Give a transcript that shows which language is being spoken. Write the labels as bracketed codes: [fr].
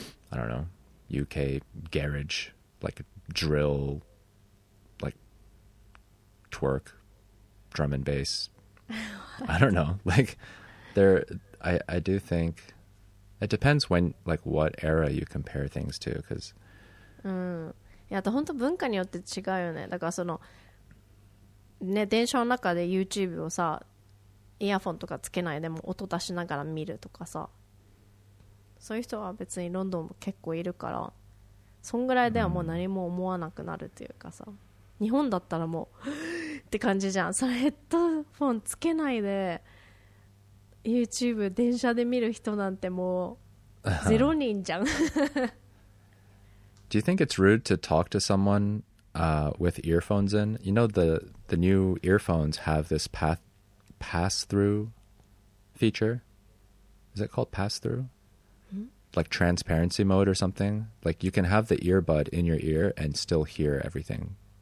[en] I don't know. UK garage, like drill, like twerk, drum and bass... I don't know. Like, there, I do think it depends when, like, what era you compare things to. Because, yeah, the [ja] 本当文化によって違うよね。だからそのね電車の中で YouTube をさイヤフォンとかつけないでも音出しながら見るとかさ、そういう人は別にロンドンも結構いるから、そんぐらいではもう何も思わなくなるというかさ。日本だったらもうって感じじゃん。それヘッドフォンつけないで YouTube 電車で見る人なんてもうゼロ人じゃん。 [en] Do you think it's rude to talk to someone with earphones in? You know the new earphones have this pass-through feature? Is it called pass-through? Like transparency mode or something? Like you can have the earbud in your ear and still hear everything.